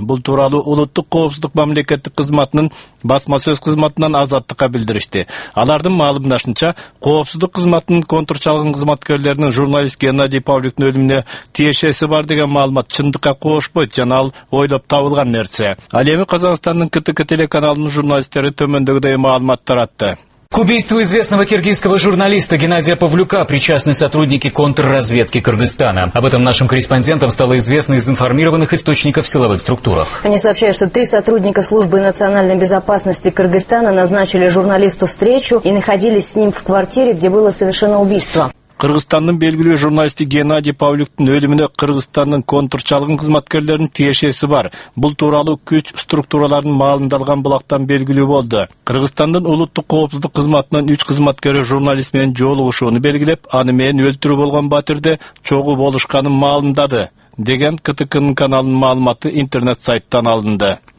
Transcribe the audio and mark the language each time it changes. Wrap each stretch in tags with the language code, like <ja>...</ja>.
<ky>Бул тууралуу улуттук коопсуздук мамлекеттик кызматынын басма сөз кызматынан Азаттыкка билдиришти. Алардын маалымдашынча, коопсуздук кызматынын контур чалган кызматкерлеринин журналист Геннадий Павлюктун өлүмүнө тиешеси бар деген маалымат чындыкка коошпойт жана ал ойлоп табылган нерсе. Ал эми Казакстандын КТК телеканалынын журналисттери төмөндөгүдөй маалымат таратты.</ky> <ru>К убийству известного киргизского журналиста Геннадия Павлюка причастны сотрудники контрразведки Кыргызстана. Об этом нашим корреспондентам стало известно из информированных источников в силовых структурах. Они сообщают, что 3 сотрудника службы национальной безопасности Кыргызстана назначили журналисту встречу и находились с ним в квартире, где было совершено убийство.</ru> <ky>Кыргызстандын белгилүү журналисти Геннадий Павлюктун өлүмүнө Кыргызстандын контрчалгын кызматкерлеринин тиешеси бар. Бул тууралуу күч структураларынын маалымдалган булактан белгилүү болду. Кыргызстандын улуттук коопсуздук кызматынын 3 кызматкери журналист менен жолугушууну белгилеп, аны менен өлтүрүү болгон батирде чогуу болушканын маалымдады деген КТКнын каналынын маалыматы интернет сайттан алынды.</ky>